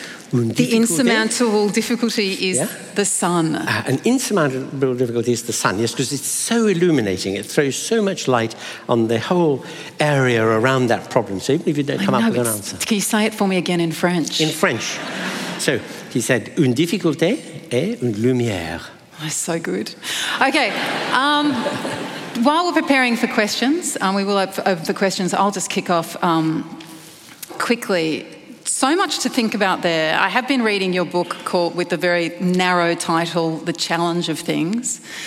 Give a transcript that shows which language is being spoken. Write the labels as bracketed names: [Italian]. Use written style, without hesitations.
[English] The insurmountable difficulty is the sun. An insurmountable difficulty is the sun, yes, because it's so illuminating. It throws so much light on the whole area around that problem. So even if you don't come up with an answer. Can you say it for me again in French? In French. So he said, [French] une difficulté est une lumière. [English] That's so good. Okay. while we're preparing for questions, we will open for questions. I'll just kick off quickly. So much to think about there. I have been reading your book called, with the very narrow title, The Challenge of Things.